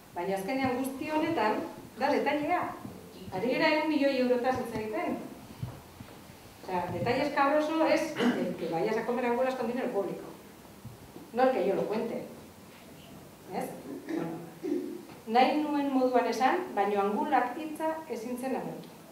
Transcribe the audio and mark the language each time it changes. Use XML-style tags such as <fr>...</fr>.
<eu>Baina azkenean guzti honetan, da detallea. Ari gara 1 000 000 eurotaz hitz egiten.</eu> <es>O sea, detalle escabroso es el que vayas a comer angulas con dinero público. No el que yo lo cuente. ¿Ves? Bueno.</es> <eu>Nahi nuen moduan esan, baino angulak hitza ezin zen agertu.</eu>